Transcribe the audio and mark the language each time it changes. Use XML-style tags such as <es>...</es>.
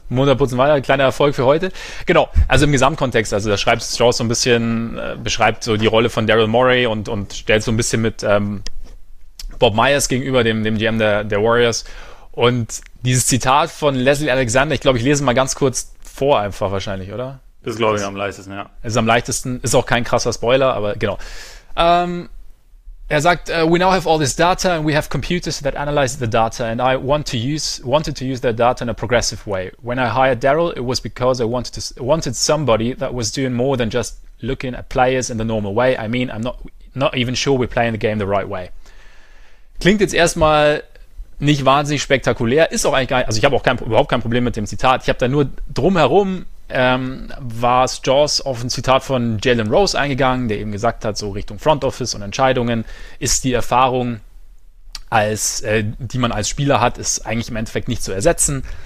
<de>Ein kleiner Erfolg für heute. Genau, also im Gesamtkontext, also da schreibt Strauss so ein bisschen, beschreibt so die Rolle von Daryl Morey und stellt so ein bisschen mit Bob Myers gegenüber, dem GM der Warriors. Und dieses Zitat von Leslie Alexander, ich glaube, ich lese mal ganz kurz vor einfach wahrscheinlich, oder? Ist, glaube ich, am leichtesten, ja. Ist am leichtesten, ist auch kein krasser Spoiler, aber genau. Er sagt,</de> <en>we now have all this data and we have computers that analyze the data and I wanted to use that data in a progressive way. When I hired Daryl, it was because I wanted somebody that was doing more than just looking at players in the normal way. I mean, I'm not even sure we're playing the game the right way.</en> <de>Klingt jetzt erstmal nicht wahnsinnig spektakulär, ist auch eigentlich gar, also ich habe auch überhaupt kein Problem mit dem Zitat. Ich habe da nur drumherum war Strauss auf ein Zitat von Jalen Rose eingegangen, der eben gesagt hat, so Richtung Front Office und Entscheidungen ist die Erfahrung, die man als Spieler hat, ist eigentlich im Endeffekt nicht zu ersetzen.</de>